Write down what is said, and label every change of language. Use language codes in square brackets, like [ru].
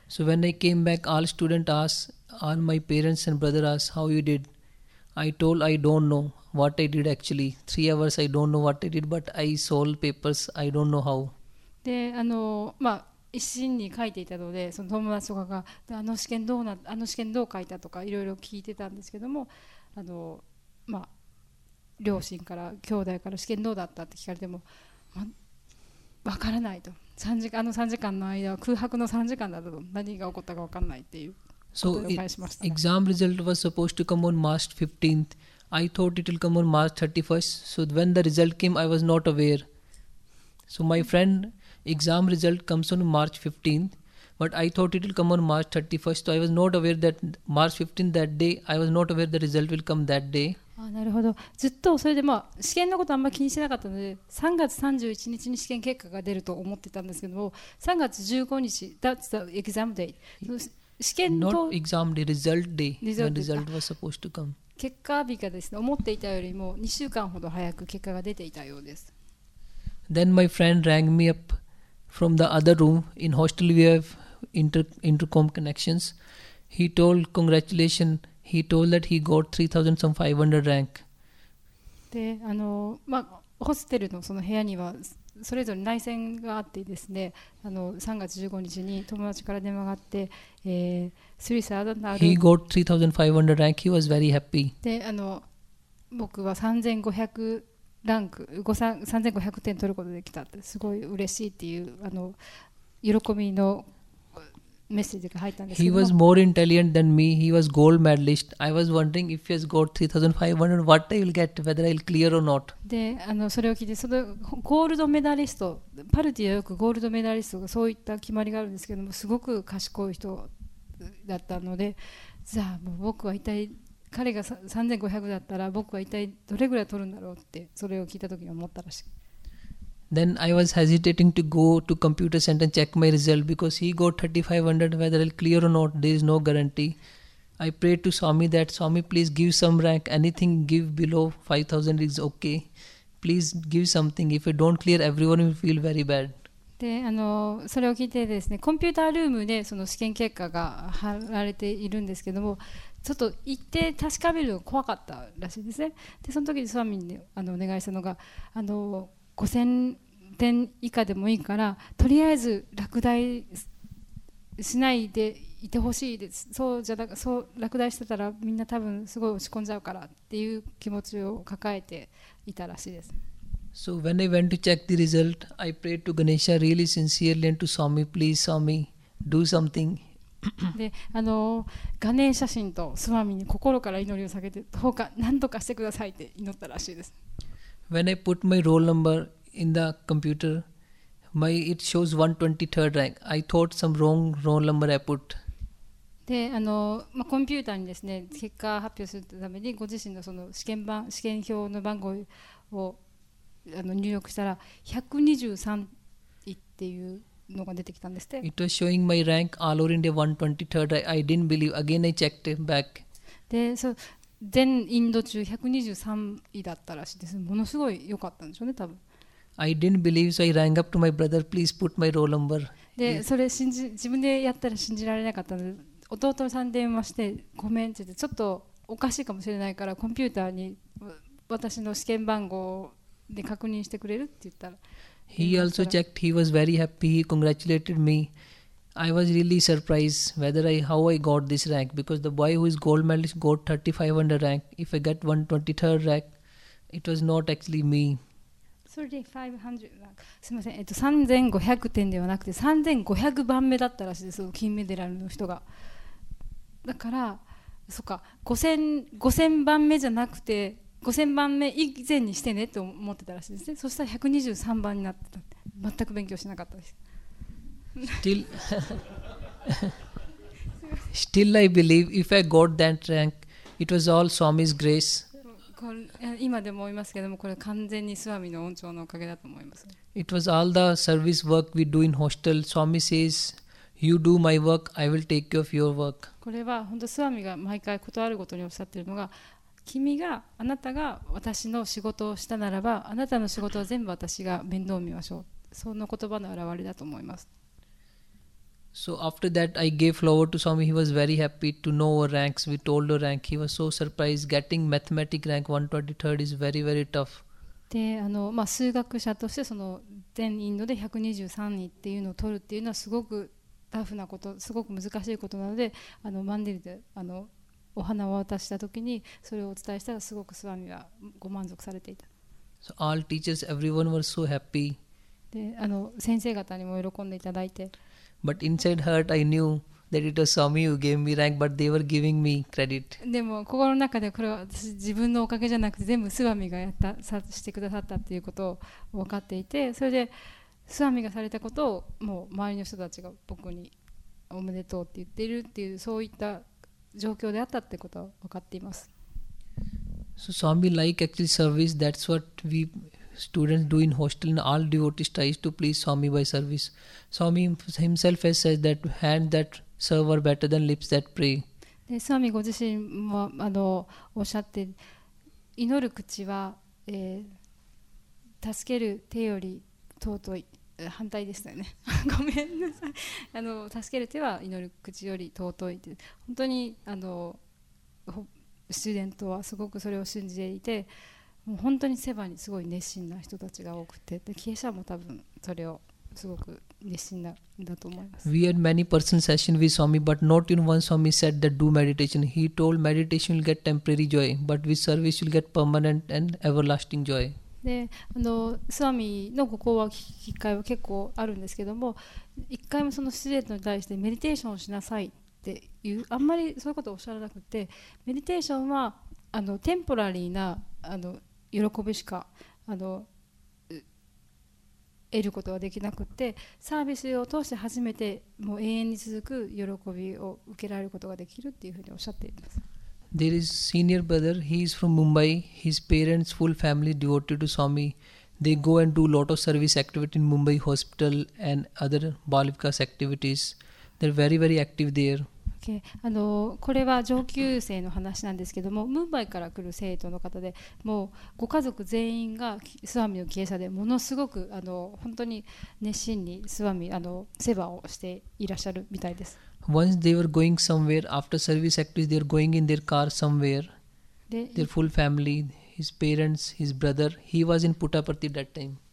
[en] So when I came back, all students asked, all my parents and brother asked, how you did? I told, I don't know what I did actually. 3 hours, I don't know what I did, but I solved papers, I don't know how. [ja] で、まあ一心に書いていたので、その友達とかがあの試験どう書いたとかいろいろ聞いてたんですけども、まあ両親から兄弟から試験どうだったって聞かれても、ま、分からないと、あの3時間の間は空白の3時間だと、何が起こったか分からないっていうことで返しました。 [en] So exam result was supposed to come on March 15th. I thought it will come on March 31st. So when the result came, I was not aware. So my friendExam result comes on March 15th, but I thought it will come on March 31st. So I was not aware that March 15th that day. I was not aware the result will come that day. [ja] あ、なるほど。ずっとそれで、まあ、試験のことあんまり気にしなかったので、3月31日に試験結果が出ると思ってたんですけども、3月15日、 [en] that's the exam day. [ja] 試験の [en] not exam day, result day. The result was supposed to come. [ja] 結果日がですね、思っていたよりも2週間ほど早く結果が出ていたようです。 [en] Then my friend rang me up from the other room. In hostel we have intercom connections. He told congratulations. He told that he got 3,500 rank. [ja] で、まあ、ホステルのその部屋にはそれぞれ内線があってですね、3月15日に友達から電話があって、3,500 [en] He got 3,500 rank. He was very happy. [ja] で、僕は3,500ランク3500点取ることができたって、すごい嬉しいっていう喜びのメッセージが入ったんですけども。 [en] He was more intelligent than me. He was gold medalist. I was wondering if he has got 3500, what I will get, whether I'll clear or not. [ja] で、それを聞いて、そのゴールドメダリスト、パルティはよくゴールドメダリストがそういった決まりがあるんですけども、すごく賢い人だったので、じゃあもう僕は一体彼が3500だったら僕は一体どれぐらい取るんだろうってそれを聞いた時に思ったらしい。 [en] Then I was hesitating to go to computer center and check my result because he got 3500 whether I'll clear or not, there is no guarantee. I prayed to Swami that Swami please give some rank, anything give below 5000 is okay. Please give something. If I don't clear, everyone will feel very bad. [ja] で、それを聞いてですね、コンピュータールームでその試験結果が貼られているんですけども、ちょっと行って確かめるのが怖かったらしいですね。で、その時にスワミにお願いしたのが、5000点以下でもいいからとりあえず落第しないでいてほしいです、そうじゃなく、そう落第してたらみんな多分すごい落ち込んじゃうからっていう気持ちを抱えていたらしいです。 [en] So when I went to check the result, I prayed to Ganesha really sincerely and to Swami, please Swami, do something [ja] で、ガネーシャ神とスワミに心から祈りを下げて、どうか何とかしてくださいって祈ったらしいです。 [en] When I put my roll number in the computer, it shows 123rd rank. I thought some wrong roll number I put. [ja] で、まあ、コンピューターにですね、結果発表するためにご自身のその試験票の番号を入力したら123位っていうのが出てきたんですって。 [en] It was showing my rank All over India 123rd. I didn't believe. Again I checked back. [ja] で、そう、全インド中123位だったらしいです。ものすごい良かったんでしょうね、多分。 [en] I didn't believe, so I rang up to my brother. Please put my roll number. [ja] で、それ信じ、自分でやったら信じられなかったので、弟さんに電話してごめんって言って、ちょっとおかしいかもしれないからコンピューターに私の試験番号で確認してくれるって言ったら、 [en] He also checked. He was very happy. He congratulated me. I was really surprised whether I, how I got this rank, because the boy who is gold medalist got 3500 rank. If I get 123rd rank, it was not actually me. [ja] 3500点ではなくて3500番目だったらしいです、金メダルの人が。だからそっか、 5000 番目じゃなくて5000番目以前にしてねと思ってたらしいですね。そしたら123番になってたって。全く勉強しなかったです。 [en] Still Still I believe if I got that rank it was all Swami's grace. [ja] 今でも思いますけども、これ完全にスワミの恩寵のおかげだと思います。 It was all the service work we do in hostel. Swami says, you do my work, I will take care of your work. これは本当スワミが毎回断るごとにおっしゃっているのが、君が、あなたが私の仕事をしたならば、あなたの仕事は全部私が面倒を見ましょう。その言葉の表れだと思います。 [en] So after that, I gave flower to Swami. He was very happy to know our ranks. We told our rank. He was so surprised. Getting mathematic rank 123rd is very, very tough. [ja] で、まあ、数学者としてその全インドで123位っていうのを取るっていうのはすごくタフなこと、すごく難しいことなので、マンデリでお花を渡したときにそれをお伝えしたら、すごくスワミはご満足されていた。 [en] So all teachers, everyone was so happy. [ja] で、先生方にも喜んでいただいて。 [en] But inside heart, I knew that it was Swami who gave me rank, but they were giving me credit. [ja] でも心の中でこれは私自分のおかげじゃなくて全部スワミがやったさしてくださったっていうことを分かっていて、それでスワミがされたことをもう周りの人たちが僕におめでとうって言っているっていう、そういった状況であったってことを分かっています。 [en] So Swami like actually service. That's what we. Students do in hostel and all devotees tries to please Swami by service. Swami himself has said that hand that serve are better than lips that pray. [ja] で、スワミご自身もおっしゃって、祈る口は、助ける手より尊い。反対でしたよね。ごめんなさい。助ける手は祈る口より尊いって。本当にスチューデントはすごくそれを信じていて、もう本当にセバにすごい熱心な人たちが多くて、で、経営者も多分それをすごく熱心なんだと思います。 [en] We had many person session with Swami, but not in one Swami said that do meditation. He told meditation will get temporary joy, but with service will get permanent and everlasting joy. [ja] で、スワミのご講話を聞く機会は結構あるんですけども、一回もそのスチューデントに対してメディテーションをしなさいっていう、あんまりそういうことをおっしゃらなくて、メディテーションはテンポラリーな喜びしか得ることはできなくて、サービスを通して初めてもう永遠に続く喜びを受けられることができるっていうふうにおっしゃっています。 [en] There is senior brother, he is from Mumbai. His parents full family devoted to Swami. They go and do lot of service activity in Mumbai hospital and other Bal Vikas activities. They are very very active there Okay. [ja] これは上級生の話なんですけども、ムンバイから来る生徒の方で、もうご家族全員がスワミの経営者で、ものすごく本当に熱心にスワミ、世話をしていらっしゃるみたいです。 [en] Once they were going somewhere, after service activities, they were going in their car somewhere. [ja] で、 [en] their full family, his parents, his brother, he was in Puttaparthi that time.